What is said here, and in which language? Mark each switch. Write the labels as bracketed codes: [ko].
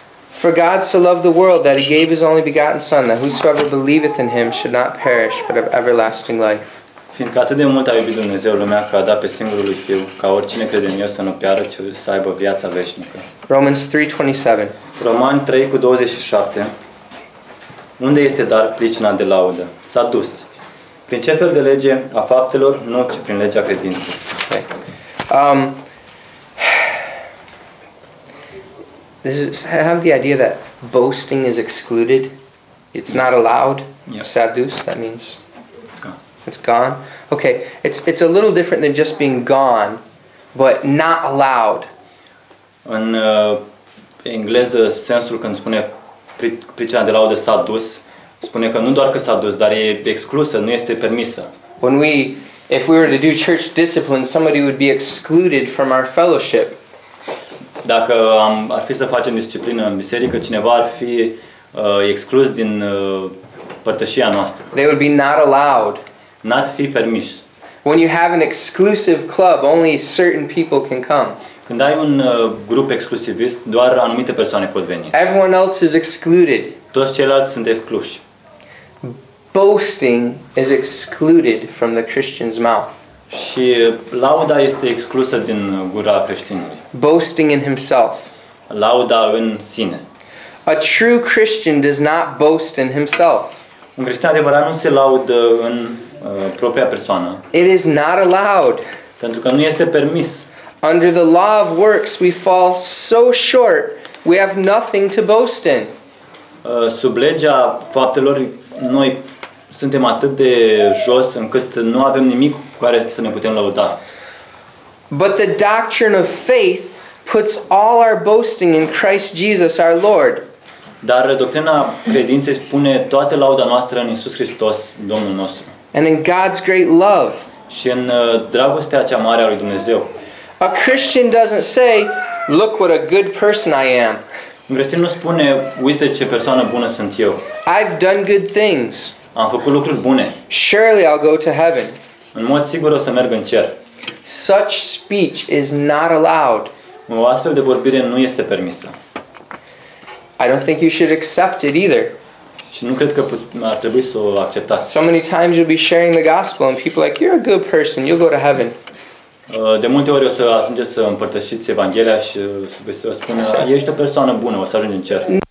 [en] For God so loved the world that he gave his only begotten son, that whosoever believeth in him should not perish but have everlasting life. [ro] Fiindcă atât de mult a iubit Dumnezeu lumea că a dat pe singurul lui Fiu, ca oricine crede în El să nu piară, ci să aibă viața veșnică. [en] Romans 3:27. [ro] Romani 3:27. Unde este dar pricina de laudă? S-a dus. Prin ce fel de lege a faptelor? Nu, ci prin legea credinței. [en] Okay. I have the idea that boasting is excluded. It's not allowed. Yeah. Sadus, that means? It's gone. It's gone? Okay, it's a little different than just being gone, but not allowed. [ro] În engleză, sensul când spune pricina de laudă s-a dus, spune că nu doar că s-a dus, dar e exclusă, nu este permisă. [en] If we were to do church discipline, somebody would be excluded from our fellowship. [ro] Dacă ar fi să facem disciplină în biserică, cineva ar fi exclus din părtășia noastră. [en] They would be not allowed. [ro] N-ar fi permis. [en] When you have an exclusive club, only certain people can come. [ro] Când ai un grup exclusivist, doar anumite persoane pot veni. [en] Everyone else is excluded. [ro] Toți ceilalți sunt excluși. [en] Boasting is excluded from the Christian's mouth. [ro] Și lauda este exclusă din gura creștinului. [en] Boasting in himself. [ro] Lauda în sine. [en] A true Christian does not boast in himself. [ro] Un creștin adevărat nu se laudă în propria persoană. [en] It is not allowed. [ro] Pentru că nu este permis. [en] Under the law of works we fall so short, we have nothing to boast in. [ro] Sub legea faptelor noi suntem atât de jos încât nu avem nimic care să ne putem lăuda. [en] But the doctrine of faith puts all our boasting in Christ Jesus our Lord. [ro] Dar doctrina credinței pune toată lauda noastră în Iisus Hristos, Domnul nostru. [en] And in God's great love. [ro] Și în dragostea cea mare a lui Dumnezeu. [en] A Christian doesn't say, look what a good person I am. [ro] Un creștin nu spune, uite ce persoană bună sunt eu. [en] I've done good things. [ro] Am făcut lucruri bune. [en] Surely I'll go to heaven. [ro] În mod sigur o să merg în cer. [en] Such speech is not allowed. [ro] O astfel de vorbire nu este permisă. [en] I don't think you should accept it either. [ro] Și nu cred că ar trebui să o acceptați. [en] So many times you'll be sharing the gospel and people are like, you're a good person, you'll go to heaven. [ro] De multe ori o să ajungeți să împărtășiți Evanghelia și să vă spună, ești o persoană bună, o să ajungi în cer.